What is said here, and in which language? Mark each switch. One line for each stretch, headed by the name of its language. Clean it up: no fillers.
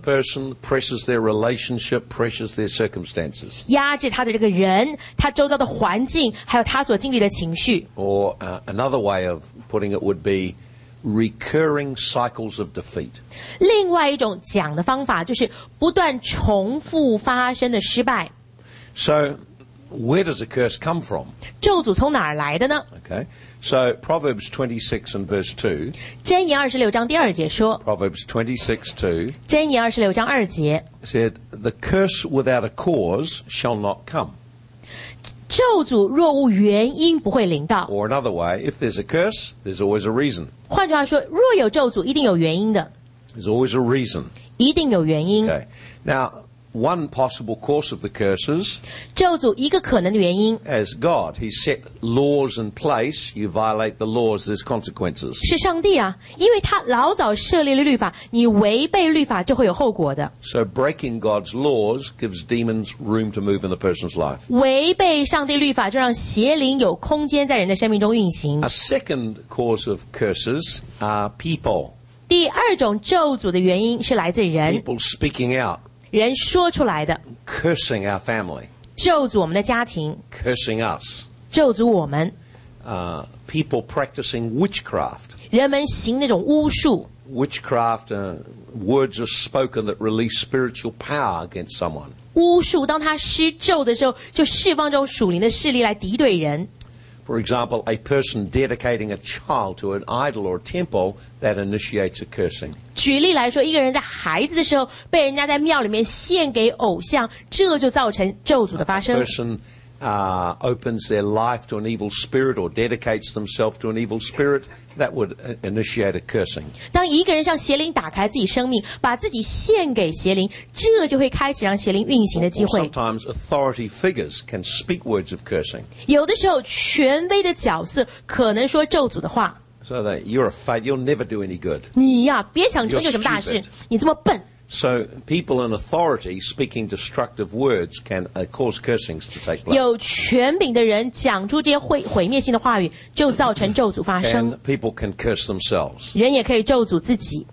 English: Presses the person, presses their relationship, presses their circumstances.
Chinese: 压制他的这个人，他周遭的环境，还有他所经历的情绪。
English: Or another way of putting it would be recurring cycles of defeat.
Chinese: 另外一种讲的方法就是不断重复发生的失败。
English: So where does a curse come from?
Chinese: 咒诅从哪儿来的呢
English: ？Okay. So, Proverbs 26 and verse 2.
Chinese: 箴言26章第二节说
English: Proverbs 26:2.
Chinese: 箴言26章二节
English: said, The curse without a cause shall not come.
Chinese: 咒诅若无原因不会临到
English: Or another way, if there's a curse, there's always a reason.
Chinese: 换句话说若有咒诅一定有原因的
English: There's always a reason.
Chinese: 一定有原因
English: Okay. Now, one possible cause of the curses
Chinese: 咒诅一个可能的原因
English: as God, he set laws in place, you violate the laws, there's consequences.
Chinese: 是上帝啊因为他老早设立了律法你违背律法就会有后果的
English: So breaking God's laws gives demons room to move in a person's life.
Chinese: 违背上帝律法就让邪灵有空间在人的生命中运行
English: A second cause of curses are people.
Chinese: 第二种咒诅的原因是来自人
English: People speaking out.
Chinese: 人说出来的
English: Cursing our family
Chinese: 咒诅我们的家庭
English: Cursing us
Chinese: 咒诅我们
English: People practicing witchcraft
Chinese: 人们行那种巫术
English: Witchcraft words are spoken that release spiritual power against someone
Chinese: 巫术当他施咒的时候就释放这种属灵的势力来敌对人
English: For example, a person dedicating a child to an idol or temple that initiates a cursing.
Chinese: 举例来说，一个人在孩子的时候被人家在庙里面献给偶像，这就造成咒诅的发生。
English: A person opens their life to an evil spirit or dedicates themselves to an evil spirit that would initiate a cursing.
Chinese: 当一个人向邪灵打开自己生命，把自己献给邪灵，这就会开启让邪灵运行的机会。
English: Sometimes authority figures can speak words of cursing.
Chinese: 有的时候，权威的角色可能说咒诅的话。
English: So that you're a fake, you'll never do any good.
Chinese: 你呀，别想成就什么大事，你这么笨。
English: So people in authority speaking destructive words can cause cursings to take place.
Chinese: 有权柄的人讲出这些毁灭性的话语，就造成咒诅发生。
English: And people can curse themselves.
Chinese: 人也可以咒诅自己。